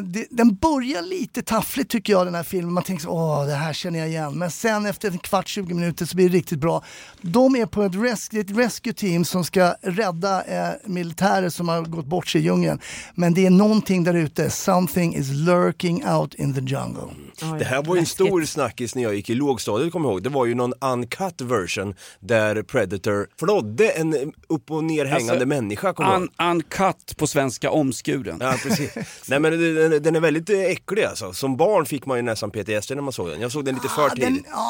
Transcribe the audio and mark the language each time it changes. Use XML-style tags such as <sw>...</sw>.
<sv>Den börjar lite taffligt tycker jag, den här filmen. Man tänker så, åh, det här känner jag igen. Men sen efter en kvart, 20 minuter, så blir det riktigt bra. De är på ett</sv> <en>rescue team</en> <sv>som ska rädda militärer som har gått bort sig i djungeln. Men det är någonting där ute.</sv> <en>Something is lurking out in the jungle.</en> <sv>Det här var ju en stor snackis när jag gick i lågstadiet, kommer ihåg. Det var ju någon</sv> <en>uncut version</en> <sv>där Predator flodde en upp- och nerhängande människa. Uncut på svenska, omskuren. Ja, precis. Nej, men den är väldigt äcklig alltså. Som barn fick man ju nästan PTSD när man såg den. Jag såg den lite för tidigt.</sv>